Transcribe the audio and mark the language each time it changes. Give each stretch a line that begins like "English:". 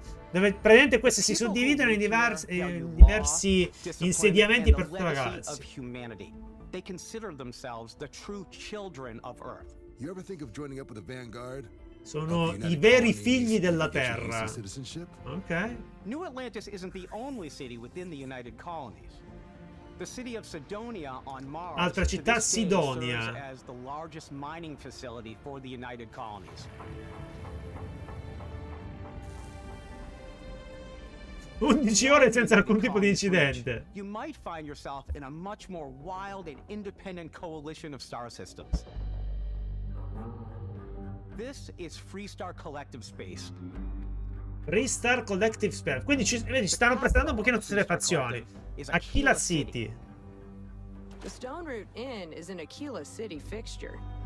Italian: Dove praticamente queste si suddividono in diversi insediamenti per tutta la galassia.
English: They consider themselves the true children of Earth. You ever think of joining up with the Vanguard?
Italian: Sono i veri figli della Terra. Ok.
English: New Atlantis isn't the only city within the United Colonies. The city of Sidonia on Mars.
Italian: Altra città, Sidonia.
English: As the largest mining facility for the United Colonies.
Italian: Undici ore senza alcun tipo di incidente.
English: You might find yourself in a much more wild and independent coalition of star systems. This is Freestar Collective Space. Freestar Collective Space.
Italian: Quindi ci stanno prestando un pochino tutte le fazioni.
English: Aquila City. The Stone Root Inn is an Aquila City fixture.